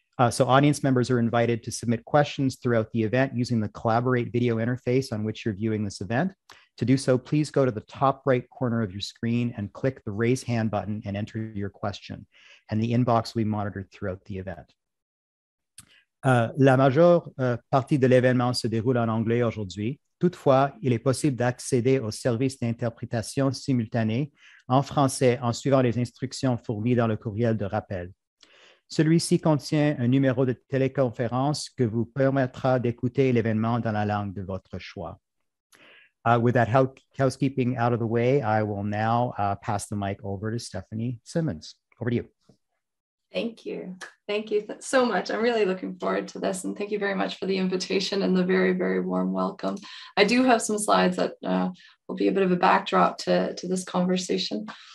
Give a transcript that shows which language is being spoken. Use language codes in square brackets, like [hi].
[en] So audience members are invited to submit questions throughout the event using the Collaborate video interface on which you're viewing this event. To do so, please go to the top right corner of your screen and click the raise hand button and enter your question. And the inbox will be monitored throughout the event. [fr] La majeure partie de l'événement se déroule en anglais aujourd'hui. Toutefois, il est possible d'accéder au service d'interprétation simultanée en français en suivant les instructions fournies dans le courriel de rappel. Celui-ci contient un numéro de téléconférence que vous permettra d'écouter l'événement dans la langue de votre choix. [en] With that housekeeping out of the way, I will now pass the mic over to Stephanie Simmons. Over to you. Thank you. Thank you so much. I'm really looking forward to this. And thank you very much for the invitation and the very, very warm welcome. I do have some slides that will be a bit of a backdrop to this conversation.